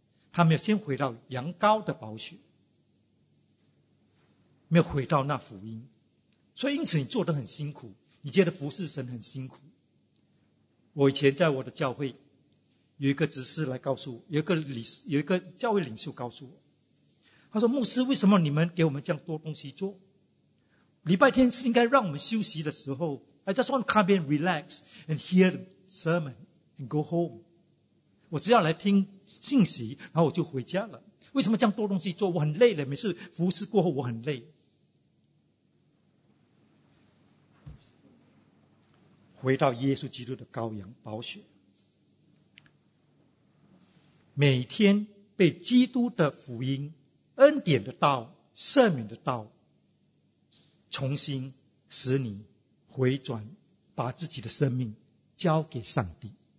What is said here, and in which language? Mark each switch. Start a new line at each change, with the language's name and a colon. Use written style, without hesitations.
Chinese: 他没有先回到羊羔的宝血，没有回到那福音，所以因此你做得很辛苦，你觉得服侍神很辛苦。我以前在我的教会有一个执事来告诉我，有一个教会领袖告诉我，他说，牧师，为什么你们给我们这样多东西做？礼拜天是应该让我们休息的时候，
English: I just want to come and relax and hear the sermon and go home.
Chinese: 我只要来听信息然后我就回家了，为什么这样多东西做？我很累了，每次服侍过后我很累。回到耶稣基督的羔羊宝血，每天被基督的福音、恩典的道、赦免的道重新使你回转，把自己的生命交给上帝。